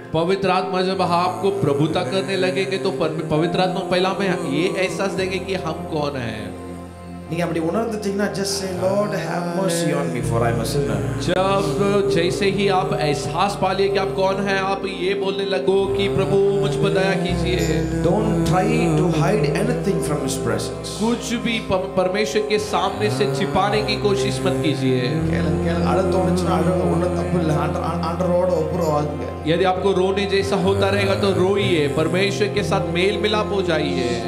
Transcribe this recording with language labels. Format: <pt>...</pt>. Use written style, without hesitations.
<hi>पवित्र आत्मा जब आपको प्रभुता करने लगेंगे तो पवित्र आत्मा पहला में ये एहसास देंगे कि हम कौन हैं।</hi> <ta>நீங்க அப்படி உணர்ந்துட்டீங்கனா</ta> <en>just say lord have mercy on me for I am a sinner.</en> <hi>जब जैसे ही आप एहसास पा लिए कि आप कौन हैं आप ये बोलने लगो कि प्रभु मुझ पर दया कीजिए.</hi> <en>Don't try to hide anything from his presence.</en> <hi>कुछ भी परमेश्वर के सामने से छिपाने की कोशिश मत कीजिए. यदि आपको रोने जैसा होता रहेगा तो रोइए, परमेश्वर के साथ मेल मिलाप हो जाइए.</hi>